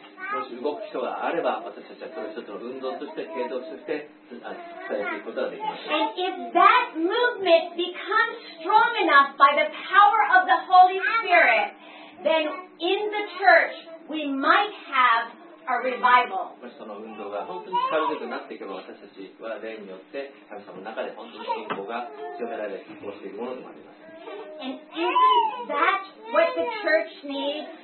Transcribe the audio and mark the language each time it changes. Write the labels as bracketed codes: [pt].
[ja] もし動く人があれば、私たちはそれを一つの運動として、継続として伝えていくことができます。 [en] And if that movement becomes strong enough by the power of the Holy Spirit, then in the church we might have a revival. [ja] もしその運動が本当に力強くなっていけば、私たちは霊によって神様の中で本当に信仰が強められ、希望しているものでもあります。 [en] And isn't that what the church needs?